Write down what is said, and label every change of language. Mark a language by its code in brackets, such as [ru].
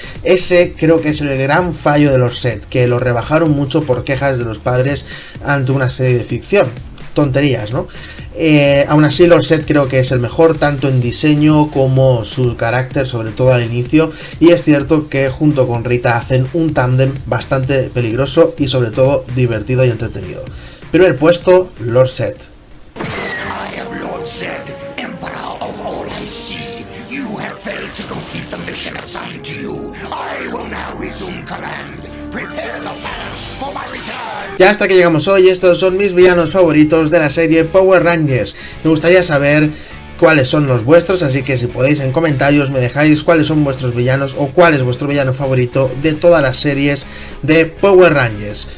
[es] Ese creo que es el gran fallo de Lord Zedd, que lo rebajaron mucho por quejas de los padres ante una serie de ficción. Tonterías, ¿no? Aún así, Lord Zedd creo que es el mejor, tanto en diseño como su carácter, sobre todo al inicio, y es cierto que junto con Rita hacen un tándem bastante peligroso y sobre todo divertido y entretenido. Primer puesto, Lord Zedd. [en] I am Lord Zedd, Emperor of all I see. You have failed to complete the mission assigned to you. I will now resume command. Prepare the palace for my return. [es] Ya hasta que llegamos hoy, estos son mis villanos favoritos de la serie Power Rangers. Me gustaría saber cuáles son los vuestros, así que si podéis en comentarios me dejáis cuáles son vuestros villanos o cuál es vuestro villano favorito de todas las series de Power Rangers.